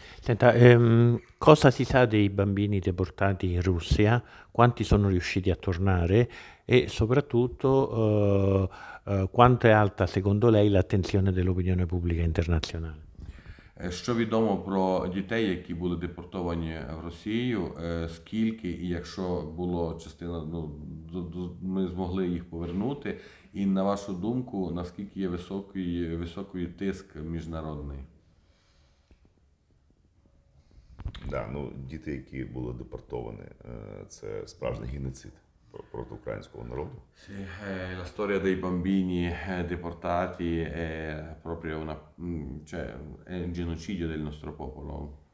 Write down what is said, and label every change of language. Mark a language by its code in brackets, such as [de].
[it] Senta, cosa si sa dei bambini deportati in Russia? Quanti sono riusciti a tornare? E soprattutto, quanto è alta, secondo lei, l'attenzione dell'opinione pubblica internazionale? [uk] Що відомо про дітей, які були депортовані в Росію, скільки і якщо було частина, ми змогли їх повернути? І на вашу думку, наскільки є високий тиск міжнародний? Да, ну діти, які були депортовані, це справжній геноцид проти українського народу. [it] Sì, la storia dei bambini deportati è proprio è un genocidio del nostro popolo.